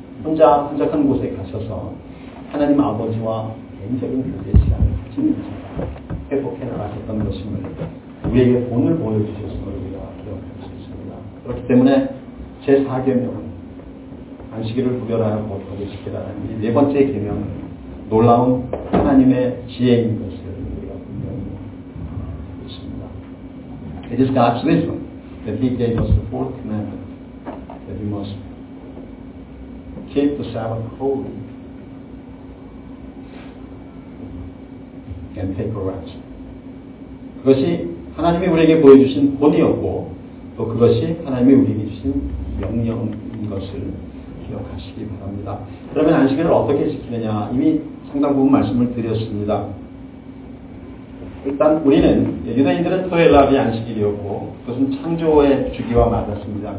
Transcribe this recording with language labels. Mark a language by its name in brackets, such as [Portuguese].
[Korean] 혼자 한적한 곳에 가셔서 하나님 아버지와 개인적인 교제 시간을 가지면서 회복해 나가셨던 것임을 우리에게 본을 보여주셨음을 우리가 기억할 수 있습니다. 그렇기 때문에 제4계명은 안식일을 구별하여 거룩하게 지키라는 이 네 번째 계명은 놀라운 하나님의 지혜인 것을 우리가 있습니다. [English] It is God's wisdom that He gave us the fourth commandment that we must keep the Sabbath holy and take a rest. [Korean] 그것이 하나님이 우리에게 보여주신 본이었고 또 그것이 하나님이 우리에게 주신 명령인 것을 기억하시기 바랍니다. 그러면 안식일을 어떻게 지키느냐 이미 상당 부분 말씀을 드렸습니다. 일단 우리는 유대인들은 토요일 날이 안식일이었고 그것은 창조의 주기와 맞았습니다.